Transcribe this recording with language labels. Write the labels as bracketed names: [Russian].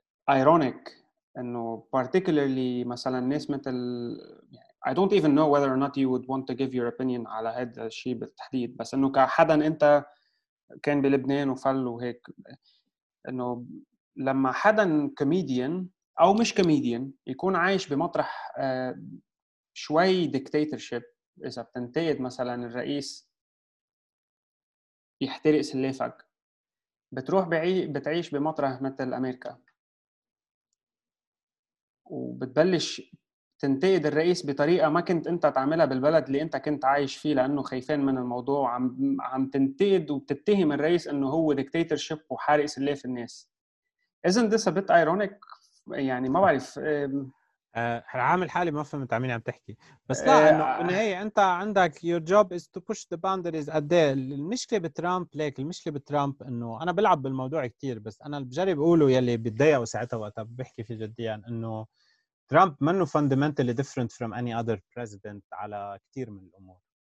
[Arabic] ironic انه particularly مثلا ناس مثل [English] I don't even know whether or not you would want to give your opinion [Arabic] على هذا الشيء بالتحديد, بس انه كحدا انت كان بلبنان وفل وهيك, انه لما حدا كوميديان او مش كوميديان يكون عايش بمطرح شوي ديكتاتورشيب, اذا بتنتقد مثلا الرئيس يحترق سلافك, بتروح بتعيش بمطرح مثل امريكا وبتبلش تنتقد الرئيس بطريقه ما كنت انت تعملها بالبلد اللي انت كنت عايش فيه لانه خايفين من الموضوع, عم تنتقد وبتتهم الرئيس انه هو ديكتاتورشيب وحارق سلاف الناس. [English] Isn't this a bit ironic؟ [Arabic] يعني ما بعرف, عامل حالي ما فهمت عمين عم تحكي, بس لا انه هي انت عندك [English] your job is to push the boundaries. [Arabic] المشكلة بترامب ليك, المشكلة بترامب انه انا بلعب بالموضوع كتير, بس انا بجرب اقوله يلي بتضيع وساعتها وقتها بحكي في جديا, انه ترامب منه [English] fundamentally different from any other president [Arabic] على كتير من الامور.